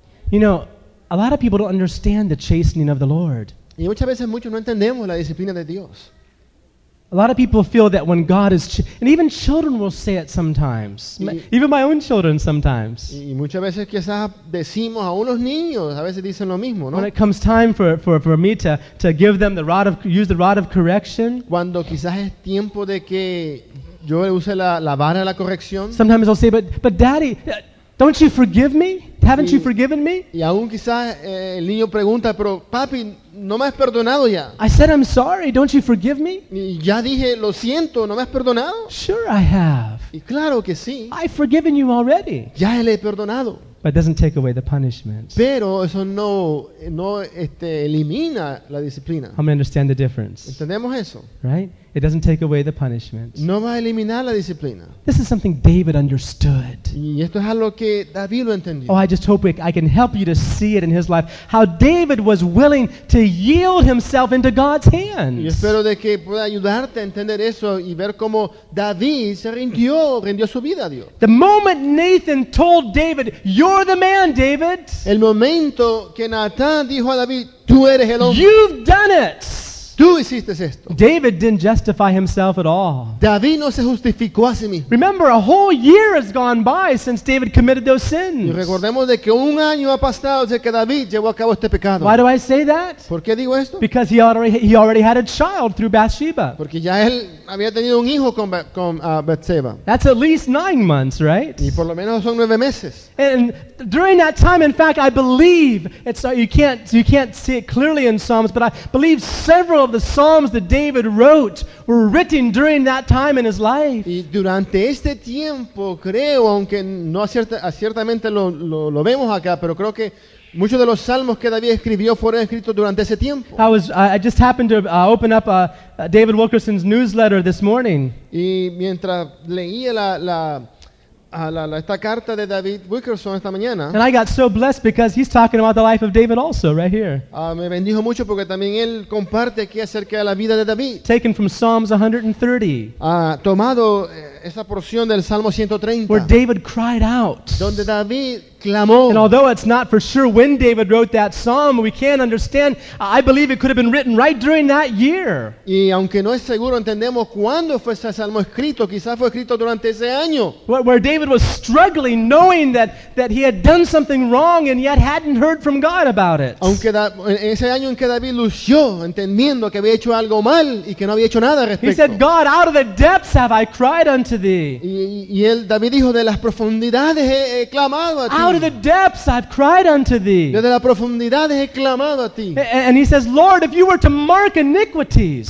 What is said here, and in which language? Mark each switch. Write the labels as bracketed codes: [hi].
[en] You know, a lot of people don't understand the chastening of the Lord. [es] Y muchas veces muchos no entendemos la disciplina de Dios. [en] A lot of people feel that when God is, and even children will say it sometimes. Even my own children sometimes. [es] Y muchas veces quizás decimos a unos niños, a veces dicen lo mismo, ¿no? [en] When it comes time for me to give them the rod of use the rod of correction. [es] Cuando quizás es tiempo de que yo use la vara de la corrección. [en] Sometimes I'll say, but Daddy, don't you forgive me? Haven't you forgiven me? [es] Y aún quizás el niño pregunta, pero papi, ¿no me has perdonado ya? [en] I said I'm sorry, don't you forgive me? [es] Y ya dije, lo siento, ¿no me has perdonado? [en] Sure I have. [es] Y claro que sí. [en] I've forgiven you already. [es] Ya le he perdonado. [en] But it doesn't take away the punishment. [es] Pero eso no elimina la disciplina. [en] I'm going to understand the difference. [es] ¿Entendemos eso? [en] Right? It doesn't take away the punishment. [es] No va a eliminar la disciplina. [en] This is something David understood. [es] Y esto es algo que David lo entendió. [en] Oh, I just hope I can help you to see it in his life, how David was willing to yield himself into God's hands. [es] Y espero de que pueda ayudarte a entender eso y ver cómo David se rindió su vida a Dios. [en] The moment Nathan told David, "You're the man, David." [es] El momento que Natán dijo a David, "Tú eres el hombre." [en] You've done it. [es] Tú hiciste esto. [en] David didn't justify himself at all. [es] David no se justificó a sí mismo. [en] Remember, a whole year has gone by since David committed those sins. [es] Y recordemos de que un año ha pasado desde que David llevó a cabo este pecado. [en] Why do I say that? [es] ¿Por qué digo esto? [en] Because he already had a child through Bathsheba. [es] Porque ya él había tenido un hijo con Bathsheba. [en] That's at least 9 months, right? [es] Y por lo menos son 9 meses. [en] And during that time, in fact, I believe it's you can't see it clearly in Psalms, but I believe several of the psalms that David wrote were written during that time in his life. [es] Y durante este tiempo, creo, aunque no ciertamente lo vemos acá, pero creo que muchos de los salmos que David escribió fueron escritos durante ese tiempo. [en] I just happened to open up David Wilkerson's newsletter this morning. [es] Y mientras leía la esta carta de David Wilkerson esta mañana. [en] And I got so blessed because he's talking about the life of David also right here. [es] Me bendijo mucho porque también él comparte aquí acerca de la vida de David. [en] Taken from Psalms 130. [es] Tomado esa porción del Salmo 130. [en] Where David cried out. [es] Donde David clamó. [en] And although it's not for sure when David wrote that psalm, we can understand. I believe it could have been written right during that year. [es] Y aunque no es seguro, entendemos cuándo fue ese salmo escrito. Quizás fue escrito durante ese año. [en] Where David was struggling, knowing that he had done something wrong and yet hadn't heard from God about it. [es] Aunque en ese año en que David lució, entendiendo que había hecho algo mal y que no había hecho nada al respecto. [en] He said, "God, out of the depths have I cried unto thee." [es] Y él, David dijo, de las profundidades he clamado a ti. [en] Out of the depths I've cried unto thee. [es] Desde la profundidad he clamado a ti. [en] And he says, Lord, if you were to mark iniquities.